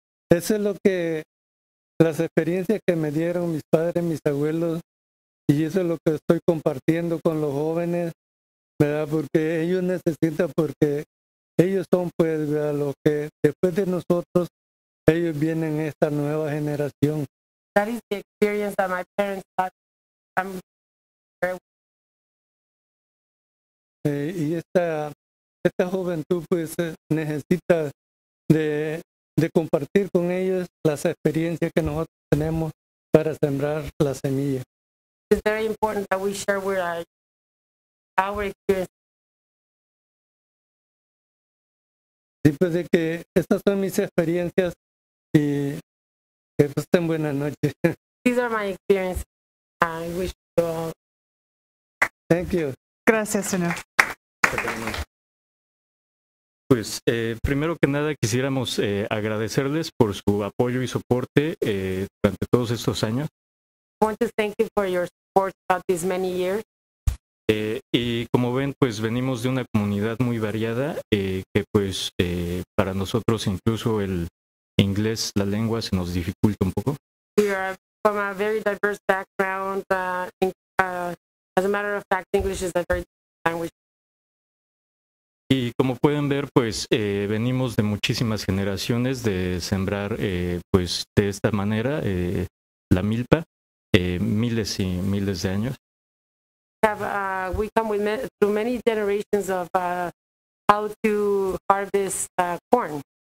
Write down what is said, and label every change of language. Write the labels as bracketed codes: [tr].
[es] Eso es lo que, las experiencias que me dieron mis padres, mis abuelos. Y eso es lo que estoy compartiendo con los jóvenes, ¿verdad? Porque ellos necesitan, porque ellos son, pues, ¿verdad? Lo que después de nosotros, ellos vienen esta nueva generación. [en] That is the experience that my parents had. [es] Y esta juventud, pues, necesita de compartir con ellos las experiencias que nosotros tenemos para sembrar la semilla. [en] It's very important that we share with our experience. [es] Sí, pues de que estas son mis experiencias y que pasen buena noche. [en] These are my experiences. I wish you all. Thank you. [es] Gracias, señor. Pues primero que nada quisiéramos agradecerles por su apoyo y soporte durante todos estos años. [en] I want to thank you for your support throughout these many years. [es] Y como ven, pues venimos de una comunidad muy variada, que pues para nosotros incluso el inglés, la lengua, se nos dificulta un poco. [en] We are from a very diverse background. As a matter of fact, English is a very different language. [es] Y como pueden ver, pues venimos de muchísimas generaciones de sembrar, pues de esta manera, la milpa. Miles y miles de años. [en] We come with through many generations of how to harvest corn.